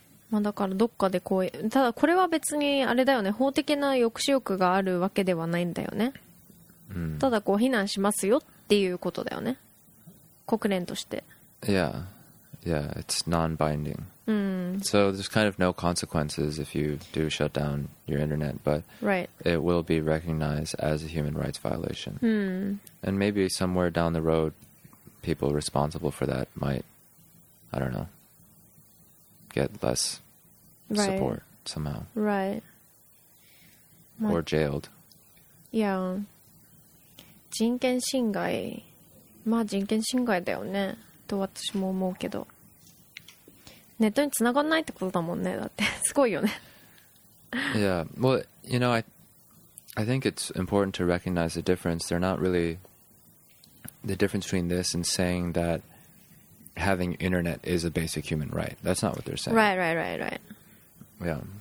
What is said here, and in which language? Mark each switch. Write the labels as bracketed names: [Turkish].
[Japanese] まあだからどっかでこう、ただこれは別にあれだよね、法的な抑止力があるわけではないんだよね。ただこう非難しますよっていうことだよね。国連として。 [English] Yeah. Yeah, it's non-binding. So there's kind of no consequences if you do shut down your internet, but it will be recognized as a human rights violation. And maybe somewhere down the road, people responsible for that might, I don't know, get less support somehow. Right. Or jailed. Yeah. [Japanese] 人権侵害。まあ人権侵害だよね。と私も思うけど。ネットにつながんないってことだもんね。だってすごいよね。 [English] Yeah, well, you know, I think it's important to recognize the difference. They're not really the difference between this and saying that having internet is a basic human right. That's not what they're saying. Right, right, right, right. Yeah.